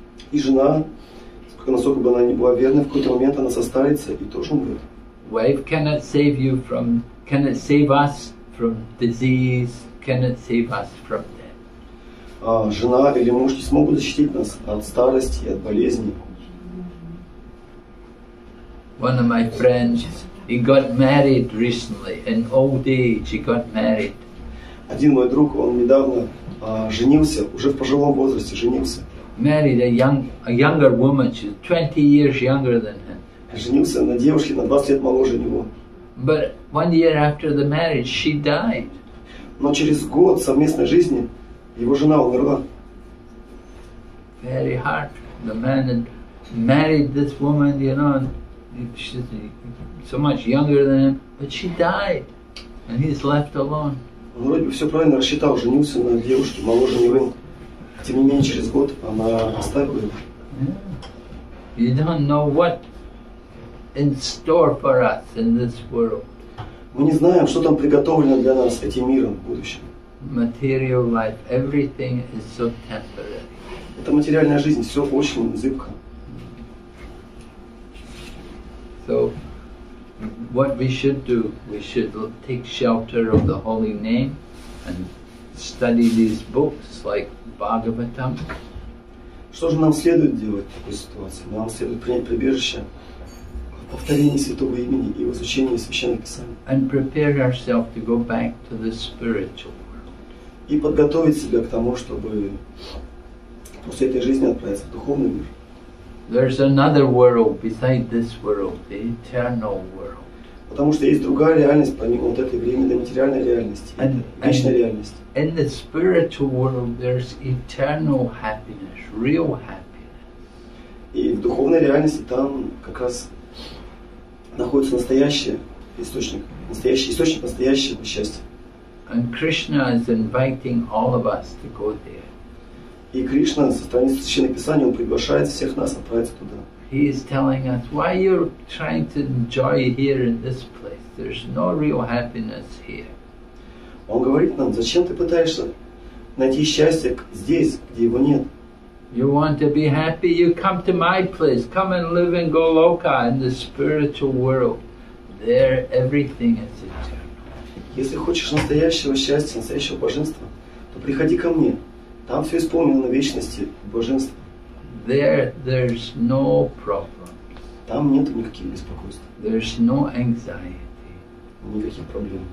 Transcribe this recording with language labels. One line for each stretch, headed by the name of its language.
Russian: И жена, насколько бы она ни была верной, в какой-то момент она состарится и тоже умрет.
English: Wife cannot save you from, cannot save us from disease, cannot save us from death.
Russian: Жена или муж не смогут защитить нас от старости и от болезни.
English: One of my friends, he got married recently, in old age he got married.
Russian: Один мой друг, он недавно женился, уже в пожилом возрасте женился.
English: Married a younger woman, she's 20 years younger than him.
Russian: Женился на девушке на 20 лет моложе него.
English: But one year after the marriage, she died.
Russian: Но через год совместной жизни его жена умерла.
English: Very hard. The man had married this woman, you know, and she's so much younger than him, but she died, and he's left alone.
Russian: Он вроде бы все правильно рассчитал, женился на девушке моложе него. Тем не менее, через год она оставила его.
English: You don't know what in store for us in this world.
Russian: Мы не знаем, что там приготовлено для нас этим миром в будущем.
English: Material life, everything is so temporary.
Russian: Это материальная жизнь, все очень зыбко.
English: So, what we should do? We should take shelter of the holy name and study these books like Bhagavatam.
Russian: Что же нам следует делать в такой ситуации? Нам следует принять прибежище в повторении святого имени и в изучении священных писаний.
English: And prepare ourselves to go back to the spiritual world.
Russian: И подготовить себя к тому, чтобы после этой жизни отправиться в духовный мир.
English: There's another world beside this world, the eternal world.
Russian: Потому что есть другая реальность, помимо вот этой временной материальной реальности, вечной реальности.
English: In the spiritual world, there's eternal happiness, real happiness.
Russian: И в духовной реальности там как раз находится настоящий источник настоящего счастья.
English: And Krishna is inviting all of us to go there.
Russian: И Кришна со стороны Священного Писания Он приглашает всех нас отправиться туда.
English: He is telling us why you're trying to enjoy here in this place. There's no real happiness here.
Russian: Он говорит нам, зачем ты пытаешься найти счастье здесь, где его нет?
English: You want to be happy? You come to my place. Come and live in Goloka, in the spiritual world. There, everything is eternal.
Russian: Если хочешь настоящего счастья, настоящего блаженства, то приходи ко мне. Там все исполнено на вечности блаженства.
English: There, there's no problem.
Russian: Там нет никаких беспокойств.
English: There's no anxiety.
Russian: Никаких проблем.